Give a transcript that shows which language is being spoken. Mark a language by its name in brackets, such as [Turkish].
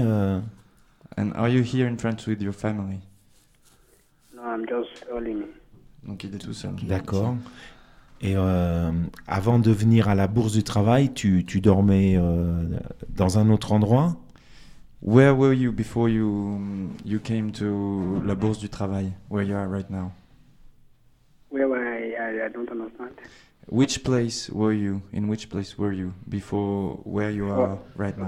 [English] And are you here in France with your family? No, I'm just only me. [French] Donc il est tout seul. D'accord. Et avant de venir à la Bourse du Travail, tu dormais dans un autre endroit? [English] Where were you before you came to la Bourse du Travail, where you are right now? Where were I don't understand. In which place were you before where you are right now?